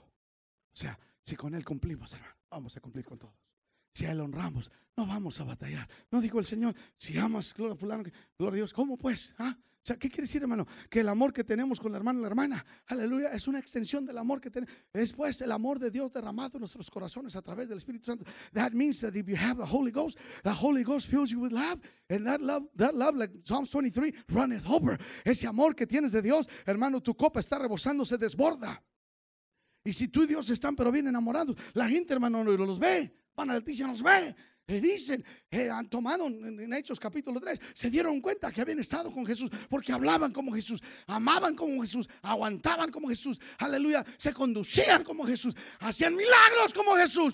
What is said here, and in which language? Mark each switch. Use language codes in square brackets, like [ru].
[es] O sea, si con Él cumplimos, hermano, vamos a cumplir con todos. Si a Él honramos, no vamos a batallar. No dijo el Señor, si amas, gloria a fulano, gloria a Dios. ¿Cómo pues? ¿Ah? O sea, ¿qué quiere decir, hermano? Que el amor que tenemos con la hermana, aleluya, es una extensión del amor que tenemos. Es pues el amor de Dios derramado en nuestros corazones a través del Espíritu Santo. [en] That means that if you have the Holy Ghost fills you with love. And that love, like Psalms 23, run it over. [es] Ese amor que tienes de Dios, hermano, tu copa está rebosando, se desborda. Y si tú y Dios están pero bien enamorados, la gente, hermano, no los ve. Van a la noticia, nos ve. Y dicen, han tomado en Hechos capítulo 3, se dieron cuenta que habían estado con Jesús porque hablaban como Jesús, amaban como Jesús, aguantaban como Jesús, aleluya, se conducían como Jesús, hacían milagros como Jesús.